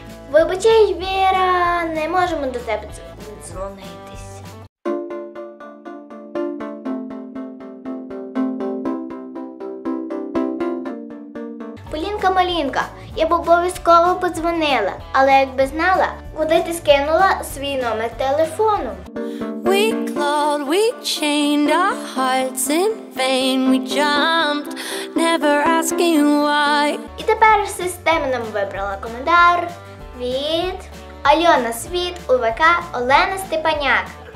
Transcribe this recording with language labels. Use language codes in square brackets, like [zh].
[uk] Вибачай, Віра, не можемо до тебе дзвонитись. Полінка-малінка, я б обов'язково подзвонила, але якби знала, куди ти скинула свій номер телефону. [en] We clawed, we chained our hearts in vain, we jumped, never asking why. [uk] І тепер система нам вибрала коментар від Альона Світ у ВК Олена Степаняк.